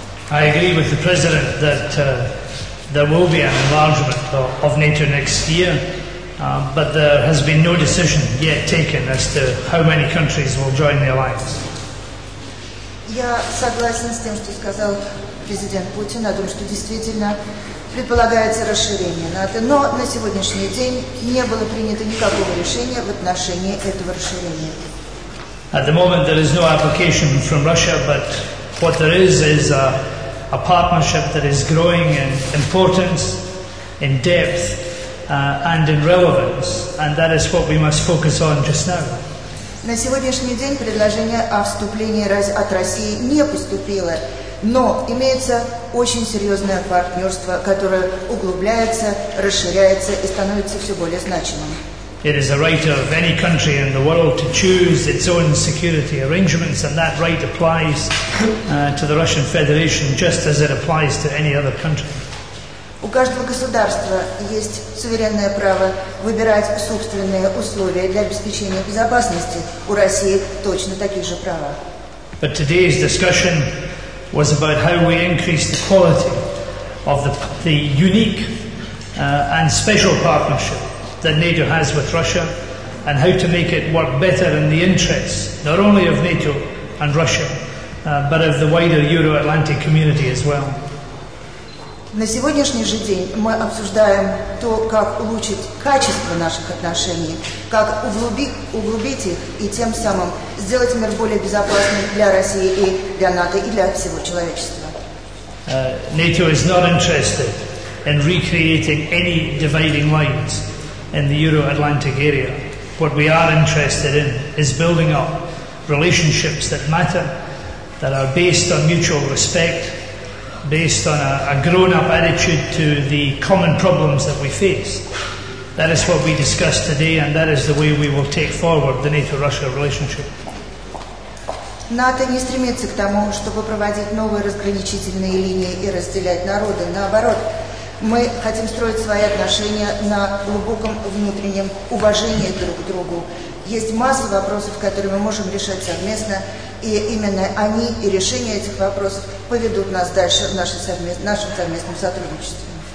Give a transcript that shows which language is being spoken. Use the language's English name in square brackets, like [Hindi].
[English] I agree with the President that there will be an enlargement of NATO next year. But there has been no decision yet taken as to how many countries will join the alliance. [Russian] Я согласен с тем, что сказал президент Путин о том, что действительно предполагается расширение НАТО, но на сегодняшний день не было принято никакого решения в отношении этого расширения. [English] At the moment there is no application from Russia, but what there is a partnership that is growing in importance, in depth, and in relevance, and that is what we must focus on just now. [Russian] На сегодняшний день предложение о вступлении от России не поступило, но имеется очень серьезное партнерство, которое углубляется, расширяется и становится все более значимым. [English] It is a right of any country in the world to choose its own security arrangements, and that right applies to the Russian Federation just as it applies to any other country. [Russian] У каждого государства есть суверенное право выбирать собственные условия для обеспечения безопасности. У России точно такие же права. [English] But today's discussion was about how we increase the quality of the unique and special partnership that NATO has with Russia, and how to make it work better in the interests not only of NATO and Russia, but of the wider Euro-Atlantic community as well. [Russian] На сегодняшний же день мы обсуждаем то, как улучшить качество наших отношений, как углубить их и тем самым сделать мир более безопасным для России и для НАТО и для всего человечества. [English] NATO is not interested in recreating any dividing lines in the Euro-Atlantic area. What we are interested in is building up relationships that matter, that are based on mutual respect, based on a grown-up attitude to the common problems that we face. That is what we discussed today, and that is the way we will take forward the NATO-Russia relationship. [Russian] НАТО не стремится к тому, чтобы проводить новые разграничительные линии и разделять народы. Наоборот, мы хотим строить свои отношения на глубоком внутреннем уважении друг к другу. Есть масса вопросов, которые мы можем решать совместно, и именно они и решение этих вопросов поведут нас дальше в нашем совместном сотрудничестве.